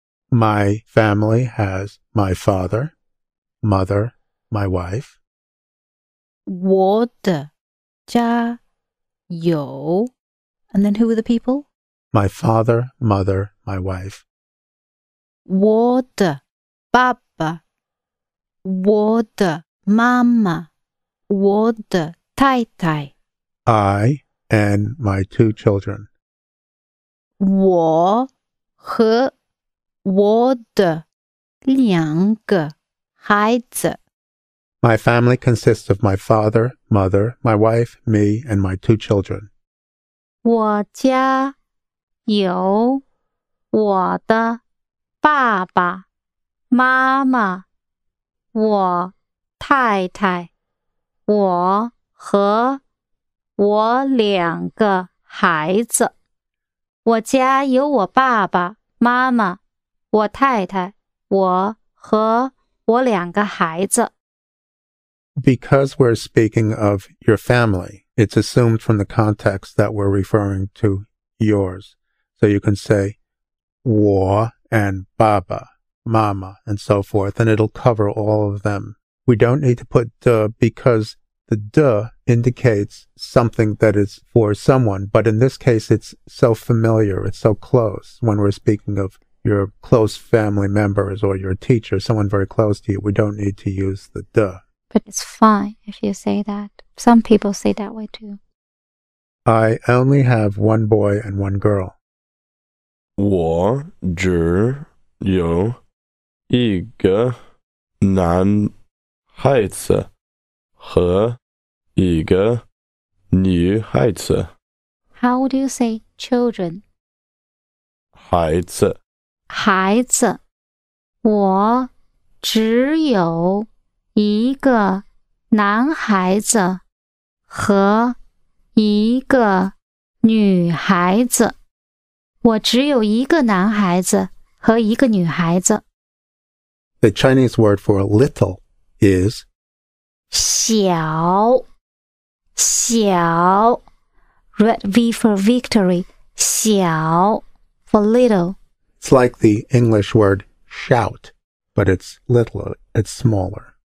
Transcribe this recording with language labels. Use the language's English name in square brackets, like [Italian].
[English] My family has my father, mother, my wife. [Chinese] 我的家有 [English] And then who are the people? My father, mother, my wife. [Chinese] 我的爸爸我的妈妈我的太太 [English] I and my two children. [Chinese] 我和我的两个孩子 [English] My family consists of my father, mother, my wife, me, and my two children. [Chinese] 我家有我的爸爸妈妈我太太我和我两个孩子我家有我爸爸妈妈我太太我和我两个孩子 [English] Because we're speaking of your family, it's assumed from the context that we're referring to yours. So you can say 我 and 爸爸Mama, and so forth, and it'll cover all of them. We don't need to put de because the de indicates something that is for someone, but in this case, it's so familiar, it's so close. When we're speaking of your close family members or your teacher, someone very close to you, we don't need to use the de. But it's fine if you say that. Some people say that way too. I only have one boy and one girl. [Chinese] 我只有一个男孩子和一个女孩子。 [English] How do you say children? [Chinese] 孩子。孩子。我只有一个男孩子和一个女孩子。我只有一个男孩子和一个女孩子。 [English] The Chinese word for little is [Chinese] 小小 [English] Red V for victory 小 for little It's like the English word shout, but it's littler, it's smaller.